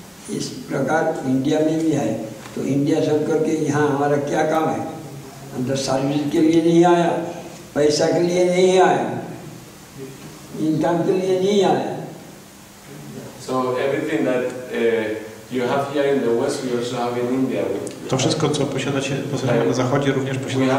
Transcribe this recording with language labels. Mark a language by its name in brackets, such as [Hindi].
[Hindi] इस प्रकार इंडिया में भी है तो इंडिया सब करके यहाँ हमारा क्या काम है अंदर सर्विस के लिए नहीं आया पैसा के लिए नहीं आया इनकम के लिए नहीं आया। [English] So everything that you have here in the West, we also have in India. [Polish] To wszystko, co posiadacie na Zachodzie, również posiada